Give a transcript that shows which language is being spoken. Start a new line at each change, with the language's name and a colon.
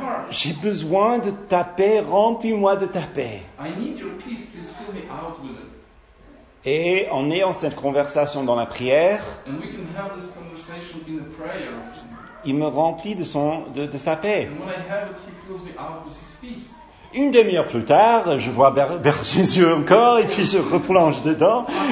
French: J'ai besoin de ta paix, remplis-moi de ta paix.
English: I need your peace, please fill me out with it.
French: Et en ayant cette conversation dans la prière,
English: and we can have this conversation in the prayer,
French: il me remplit de sa paix.
English: And when I have it, he fills me out with his peace.
French: Une demi-heure plus tard, je vois Bar Jésus encore et puis je replonge dedans.